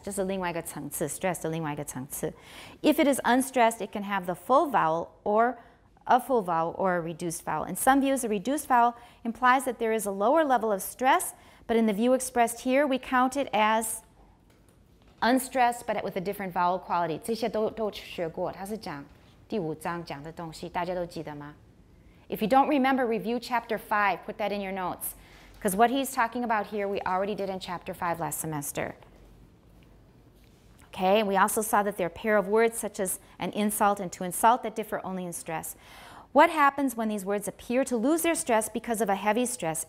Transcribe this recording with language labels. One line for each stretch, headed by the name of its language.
Chinese: 就是另外一个层次, stress 的另外一个层次.
English: If it is unstressed, it can have the full vowel or a full vowel or a reduced vowel. In some views, a reduced vowel implies that there is a lower level of stress, but in the view expressed here, we count it as unstressed but with a different vowel quality.
Chinese: 这些都学过，他是讲第五章讲的东西，大家都记得吗？
English: If you don't remember, review Chapter 5, put that in your notes. Because what he's talking about here, we already did in Chapter 5 last semester. Okay, we also saw that there are a pair of words such as an insult and to insult that differ only in stress. What happens when these words appear to lose their stress because of a heavy stress?